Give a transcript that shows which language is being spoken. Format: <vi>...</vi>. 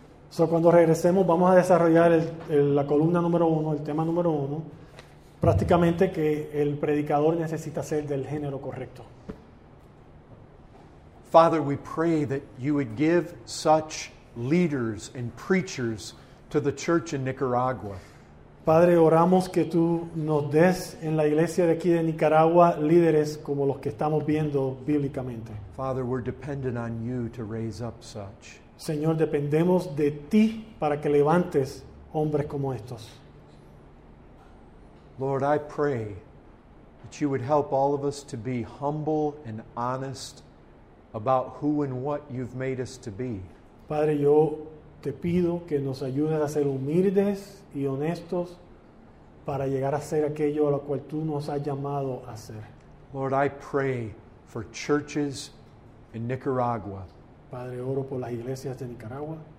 <es>So cuando regresemos, vamos a desarrollar la columna número uno, el tema número uno, prácticamente que el predicador necesita ser del género correcto.</es> <en>Father, we pray that you would give such leaders and preachers to the church in Nicaragua.</en> <es>Padre, oramos que tú nos des en la iglesia de aquí de Nicaragua líderes como los que estamos viendo bíblicamente.</es> <en>Father, we're dependent on you to raise up such.</en> <es>Señor, dependemos de ti para que levantes hombres como estos.</es> <en>Lord, I pray that you would help all of us to be humble and honest about who and what you've made us to be.</en> <es>Padre, yo te pido que nos ayudes a ser humildes y honestos para llegar a ser aquello a lo cual tú nos has llamado a ser.</es> <en>Lord, I pray for churches in Nicaragua.</en> <es>Padre, oro por las iglesias de Nicaragua.</es>